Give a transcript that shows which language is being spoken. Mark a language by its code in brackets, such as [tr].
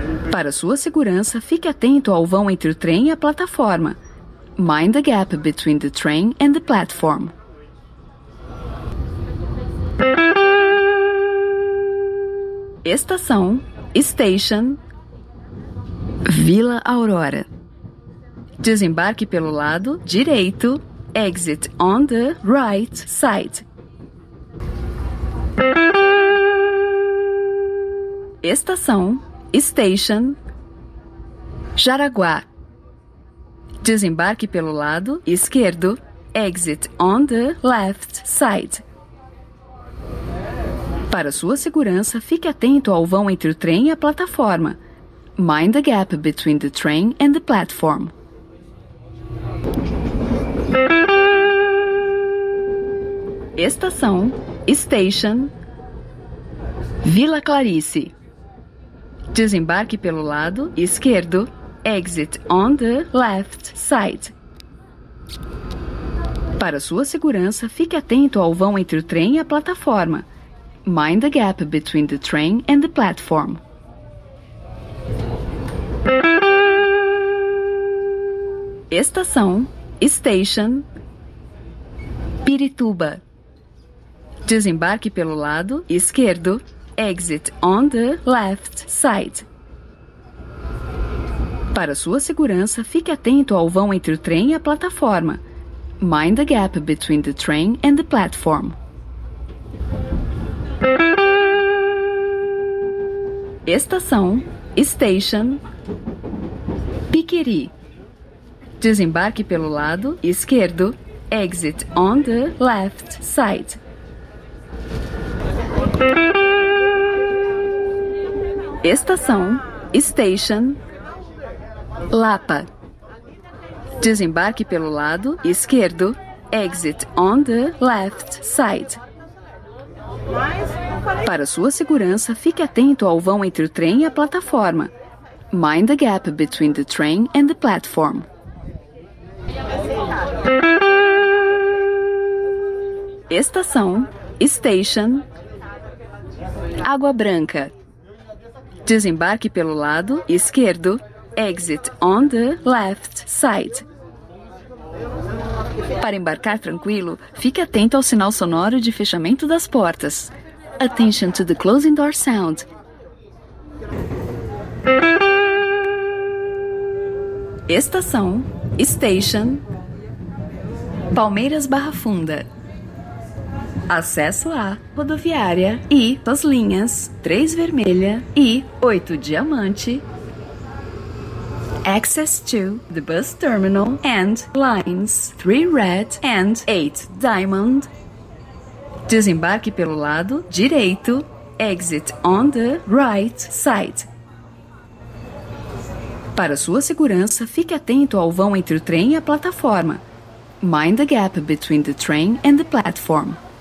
[pt] Para sua segurança, fique atento ao vão entre o trem e a plataforma. [en] Mind the gap between the train and the platform. [pt] Estação, Estação, Station, Vila Aurora. Desembarque pelo lado direito. [en] Exit on the right side. [pt] Estação, Station, Jaraguá. Desembarque pelo lado esquerdo. [en] Exit on the left side. [pt] Para sua segurança, fique atento ao vão entre o trem e a plataforma. [en] Mind the gap between the train and the platform. [pt] Estação, Station, Vila Clarice. Desembarque pelo lado esquerdo. [en] Exit on the left side. [pt] Para sua segurança, fique atento ao vão entre o trem e a plataforma. [en] Mind the gap between the train and the platform. [pt] Estação, Station, Pirituba. Desembarque pelo lado esquerdo. [en] Exit on the left side. [pt] Para sua segurança, fique atento ao vão entre o trem e a plataforma. [en] Mind the gap between the train and the platform. [pt] Estação, Station, Piquiri. Desembarque pelo lado esquerdo. [en] Exit on the left side. [pt] Estação, Station, Lapa. Desembarque pelo lado esquerdo. [en] Exit on the left side. [pt] Para sua segurança, fique atento ao vão entre o trem e a plataforma. [en] Mind the gap between the train and the platform. [pt] Estação, Station, Água Branca. Desembarque pelo lado esquerdo. [en] Exit on the left side. [pt] Para embarcar tranquilo, fique atento ao sinal sonoro de fechamento das portas. [en] Attention to the closing door sound. [pt] Estação, Station, Palmeiras Barra Funda. Acesso à rodoviária e as linhas 3 Vermelha e 8 Diamante. [en] Access to the bus terminal and lines 3 Red and 8 Diamond. [pt] Desembarque pelo lado direito. [en] Exit on the right side. [pt] Para sua segurança, fique atento ao vão entre o trem e a plataforma. [en] Mind the gap between the train and the platform.